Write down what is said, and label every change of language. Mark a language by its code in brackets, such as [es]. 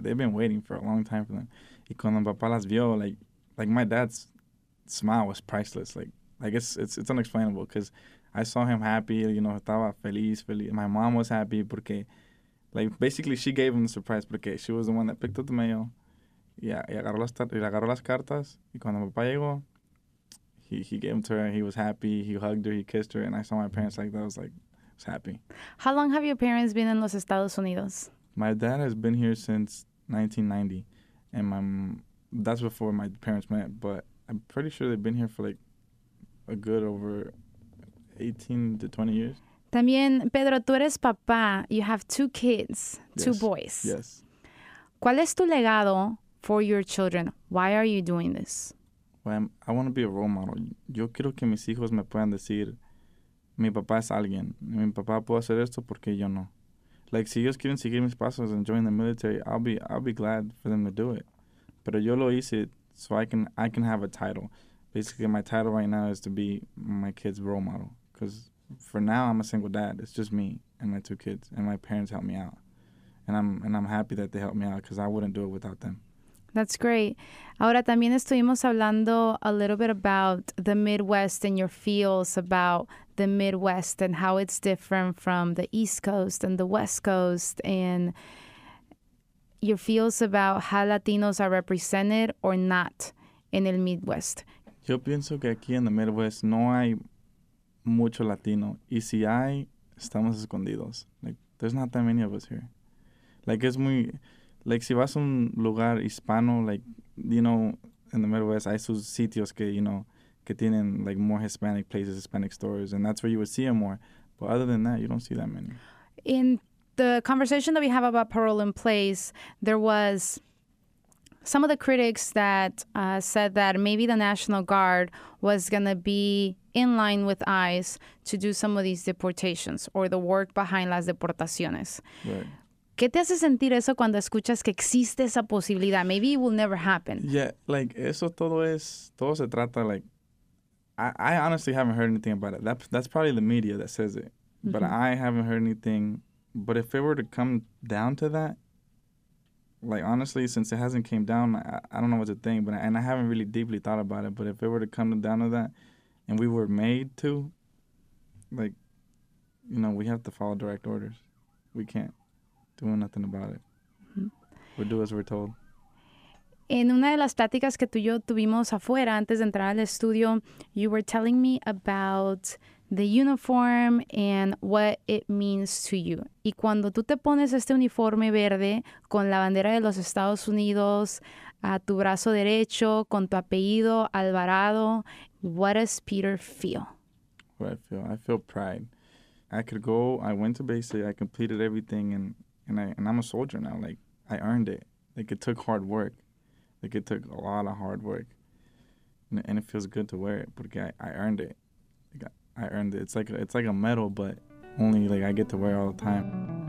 [en] They've been waiting for a long time for them. [es] Y cuando papá las vio, [en] like my dad's smile was priceless. Like it's unexplainable because I saw him happy, you know, [es] estaba feliz. [en] My mom was happy [es] porque, [en] like, basically she gave him the surprise porque she was the one that picked up the mail. [es] Yeah, y agarró las cartas. Y cuando papá llegó, [en] he gave them to her. He was happy. He hugged her. He kissed her. And I saw my parents like that. I was like, was happy. How long have your parents been in Los Estados Unidos? My dad has been here since 1990, and that's before my parents met, but I'm pretty sure they've been here for like a good over 18 to 20 years. [es] También, Pedro, tú eres papá. [en] You have two kids, two boys. Yes. [es] ¿Cuál es tu legado [en] for your children? Why are you doing this? Well, I want to be a role model. [es] Yo quiero que mis hijos me puedan decir, mi papá es alguien. Mi papá puede hacer esto porque yo no. [en] Like, [es] si ellos quieren seguir mis pasos [en] and join the military, I'll be glad for them to do it. [es] Pero yo lo hice [en] so I can have a title. Basically, my title right now is to be my kid's role model. Because for now, I'm a single dad. It's just me and my two kids, and my parents help me out. And I'm happy that they helped me out because I wouldn't do it without them. That's great. [es] Ahora también estuvimos hablando [en] a little bit about the Midwest and your feels about the Midwest and how it's different from the East Coast and the West Coast and your feels about how Latinos are represented or not in el Midwest. [es] Yo pienso que aquí en el Midwest no hay mucho Latino. Y si hay, estamos escondidos. [en] Like, there's not that many of us here. Like, [es] es muy... [en] Like, [es] si vas a un lugar hispano, [en] like, you know, in the Midwest, [es] hay sus sitios que, [en] you know, [es] que tienen, [en] like, more Hispanic places, Hispanic stores, and that's where you would see them more. But other than that, you don't see that many. In the conversation that we have about parole in place, there was some of the critics that said that maybe the National Guard was going to be in line with ICE to do some of these deportations or the work behind [es] las deportaciones. [en] Right. [es] ¿Qué te hace sentir eso cuando escuchas que existe esa posibilidad? [en] Maybe it will never happen. Yeah, like, [es] eso todo es, todo se trata, [en] like, I honestly haven't heard anything about it. That's probably the media that says it. Mm-hmm. But I haven't heard anything. But if it were to come down to that, like, honestly, since it hasn't came down, I don't know what to think. But and I haven't really deeply thought about it. But if it were to come down to that, and we were made to, like, you know, we have to follow direct orders. We can't. Doing nothing about it. Mm-hmm. We'll do as we're told. [es] En una de las pláticas que tú y yo tuvimos afuera antes de entrar al estudio, [en] you were telling me about the uniform and what it means to you. [es] Y cuando tú te pones este uniforme verde con la bandera de los Estados Unidos a tu brazo derecho, con tu apellido Alvarado, [en] what does Peter feel? What I feel? I feel pride. I could go, I went to basic, I completed everything, and I'm a soldier now. Like, I earned it. Like, it took hard work. Like, it took a lot of hard work. And it feels good to wear it because I earned it. Like, I earned it. It's like a medal, but only, like, I get to wear it all the time.